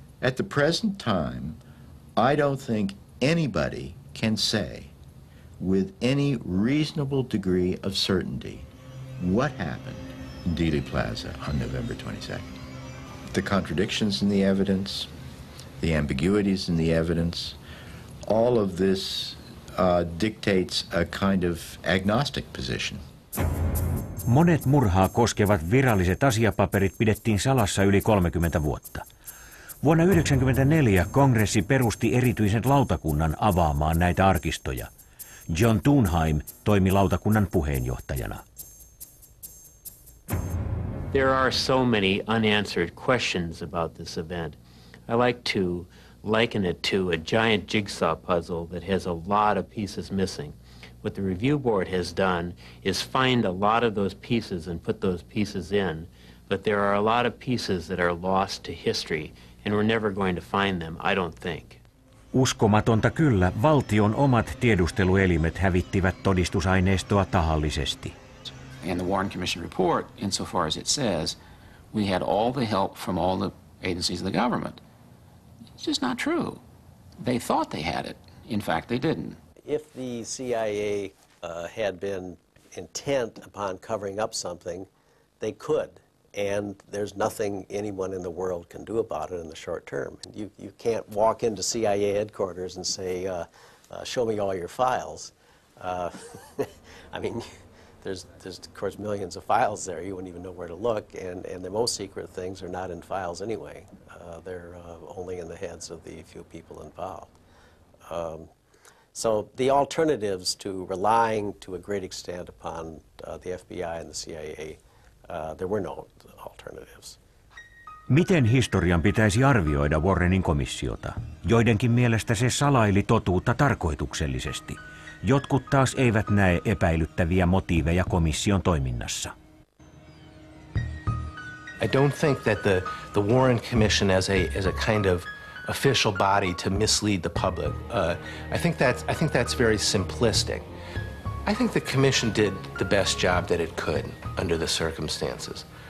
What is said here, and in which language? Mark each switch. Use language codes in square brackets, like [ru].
[en] At the present time, I don't think anybody can say with any reasonable degree of certainty what happened in Dealey Plaza on November 22nd. The contradictions in the evidence, the ambiguities in the evidence, all of this dictates a kind of agnostic position. [fi] Monet murhaa koskevat viralliset asiapaperit pidettiin salassa yli 30 vuotta. Vuonna 1994 kongressi perusti erityisen lautakunnan avaamaan näitä arkistoja. John Thunheim toimi lautakunnan puheenjohtajana. [en] There are so many unanswered questions about this event. I like to liken it to a giant jigsaw puzzle that has a lot of pieces missing. What the review board has done is find a lot of those pieces and put those pieces in, but there are a lot of pieces that are lost to history, and we're never going to find them, I don't think. [fi] Uskomatonta kyllä, valtion omat tiedusteluelimet hävittivät todistusaineistoa tahallisesti. [en] In the Warren Commission report, insofar as it says, we had all the help from all the agencies of the government. It's just not true. They thought they had it. In fact, they didn't. If the CIA had been intent upon covering up something, they could. And there's nothing anyone in the world can do about it in the short term. You can't walk into CIA headquarters and say, show me all your files. I mean, there's of course millions of files there. You wouldn't even know where to look. And the most secret things are not in files anyway. They're only in the heads of the few people involved. So the alternatives to relying to a great extent upon the FBI and the CIA, there were no alternatives. [fi] Miten historian pitäisi arvioida Warrenin komissiota? Joidenkin mielestä se salaili totuutta tarkoituksellisesti. Jotkut taas eivät näe epäilyttäviä motiiveja komission toiminnassa. [en] I don't think that the Warren Commission as a kind of official body to mislead the public. I think that's very simplistic. I think the commission did the best job that it could under the circumstances.